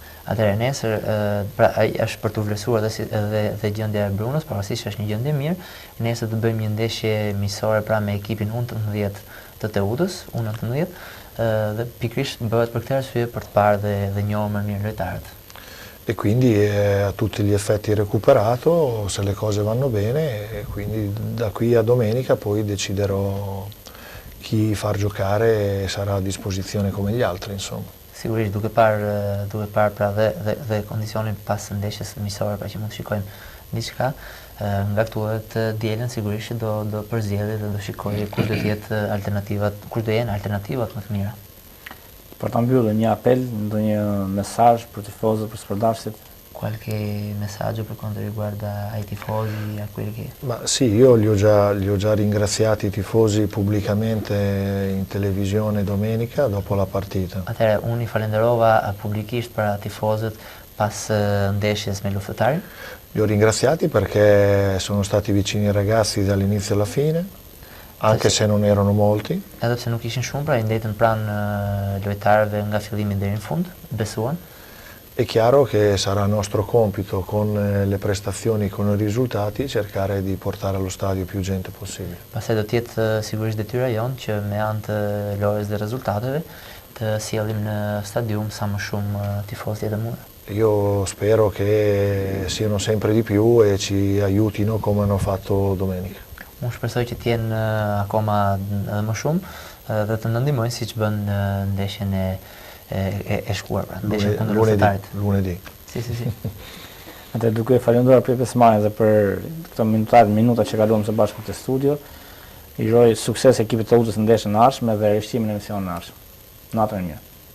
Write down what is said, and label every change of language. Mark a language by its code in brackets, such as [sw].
[sq] Atëherë nesër, pra ai është për të vlerësuar edhe gjendja e Brunos, pavarësisht se është një gjendje mirë. Nesër do bëjmë një ndeshje miqësore pra me ekipin U19 të Teutës, U19, dhe pikrisht bëhet për këtë arsye për të parë dhe një më mirë lojtarët. [it] E quindi a tutti gli effetti recuperato, se le cose vanno bene, e quindi da qui a domenica poi deciderò chi far giocare e sarà a disposizione come gli altri, insomma. [sq] Sigurisht, duke par pra dhe kondicionin pas ndeshjes miqësore, pra që mund të shikojmë diçka nga këtu edhe të dielën, sigurisht do përzihet dhe do shikojë kush do të jetë alternativat, kush do jenë alternativat më të mira. Për ta mbyllur, një apel, ndonjë mesazh për tifozët, për sportistët. [it] Qualche messaggio per quanto riguarda ai tifosi, a quelli che... Ma sì, io li ho già ringraziati i tifosi pubblicamente in televisione domenica dopo la partita. [sq] Atëherë, unë i falenderova pubblikisht për tifosët pas ndeshjes me luftëtarë. [it] Li ho ringraziati perché sono stati vicini ai ragazzi dall'inizio alla fine, anche se non erano molti. [sq] Edhe pse nuk ishin shumë, pra i ndetën pranë lojtarëve nga fillimi deri në fund, besuan. [it] È chiaro che sarà nostro compito con le prestazioni, con i risultati, cercare di portare allo stadio più gente possibile. [sq] Ma se do tjetë sigurisht detyra jonë që me antë lojës dhe rezultateve të sjellim në stadium sa më shumë tifozë dhe mua. [it] Io spero che siano sempre di più e ci aiutino come hanno fatto domenica. [sq] Unë shpresoj që t'jenë akoma edhe më shumë dhe të ndëndimojnë si që bënë në ndeshjen e shkuar, pra, ndeshën kundër luftëtarit. [it] Lunedi. Si. [sq] Atë duke falenduar për pjesëmarrje dhe për këto minuta që kaluam së bashku këtë studio, i uroj sukses ekipit të Teutës në ndeshën e ardhshme dhe rishqimin e misionit të ardhshëm. Natën e mirë.